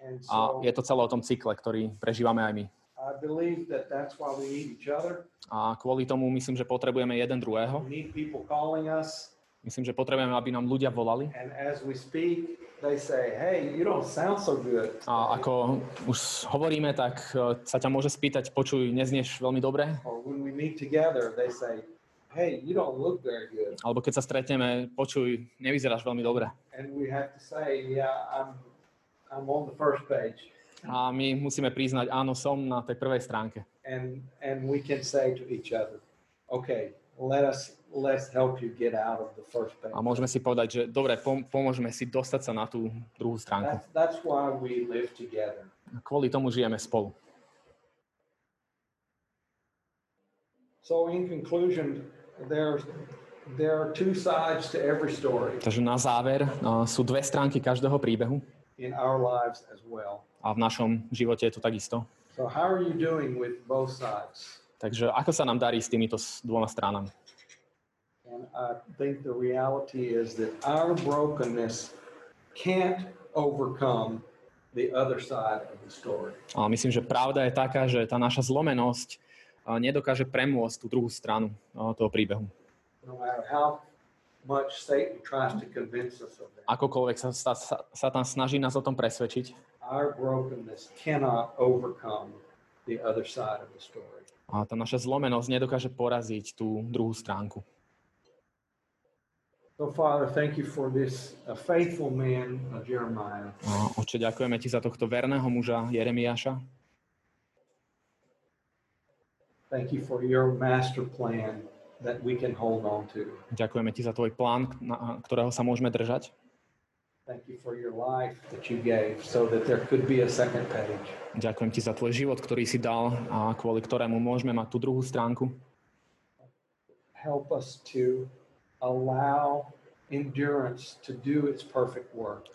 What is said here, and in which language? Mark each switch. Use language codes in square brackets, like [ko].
[sk] A je to celé o tom cykle, ktorý prežívame aj my. [en] I believe that that's why we need each other. [sk] A kvôli tomu myslím, že potrebujeme jeden druhého. [en] We need people calling us. [sk] Myslím, že potrebujeme, aby nám ľudia volali. [en] And as we speak, they say, hey, you don't sound so good. [sk] A ako už hovoríme, tak sa ťa môže spýtať, počuj, neznieš veľmi dobre. [en] Or when we meet together, they say, hey, you don't look very good. [sk] Alebo keď sa stretneme, počuj, nevyzeráš veľmi dobre. [en] And we have to say, yeah, I'm on the first page. [sk] A my musíme priznať, áno, som na tej prvej stránke. [en] And we can say to each other, okay, let's help you get out of the first page. [sk] A môžeme si povedať, že dobre, pomôžeme si dostať sa na tú druhú stránku. [en] That's why we live together. [sk] Kvôli tomu žijeme spolu. [en] So in conclusion, there are two sides to every story. [sk] Takže na záver, sú dve stránky každého príbehu. [en] In our lives as well. [sk] A v našom živote je to takisto. [en] So how are you doing with both sides? [sk] Takže ako sa nám darí s týmito dvoma stranami? [en] And I think the reality is that our brokenness can't overcome the other side of the story. [sk] A myslím, že pravda je taká, že tá naša zlomenosť nedokáže premôcť tú druhú stranu toho príbehu. [en] No matter how much Satan tries to convince us of that. [sk] Akokoľvek sa tam snaží nás o tom presvedčiť. [en] Our brokenness cannot overcome the other side of the story. [sk] A tá naša zlomenosť nedokáže poraziť tú druhú stránku. [en] So Father, thank you for this faithful man, Jeremiah. [sk] Otče, ďakujeme ti za tohto verného muža Jeremiáša. [en] Thank you for your master plan that we can hold on to. [sk] Ďakujeme ti za tvoj plán, ktorého sa môžeme držať. [en] Thank you for your life that you gave so that there could be a second page. [sk] Ďakujem ti za tvoj život, ktorý si dal a kvôli ktorému môžeme mať tú druhú stránku. [en] Help us to allow endurance to do its perfect work.